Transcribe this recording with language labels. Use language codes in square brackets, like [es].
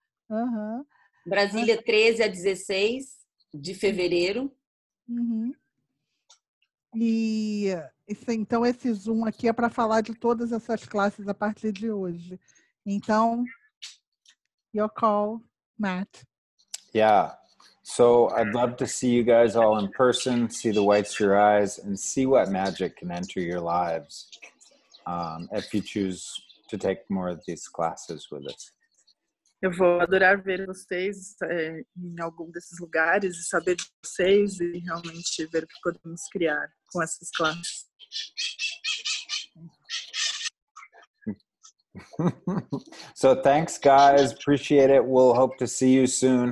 [pt] Aham. Uhum. Brasília, 13 a 16 de fevereiro. Uhum. Então, esse Zoom aqui é para falar de todas essas classes a partir de hoje. [en] Então, your call, Matt. Yeah. So, I'd love to see you guys all in person, see the whites of your eyes, and see what magic can enter your lives if you choose to take more of these classes with us. [pt] Eu vou adorar ver vocês em algum desses lugares e saber de vocês e realmente ver o que podemos criar com essas classes. [en] So, thanks, guys. Appreciate it. We'll hope to see you soon.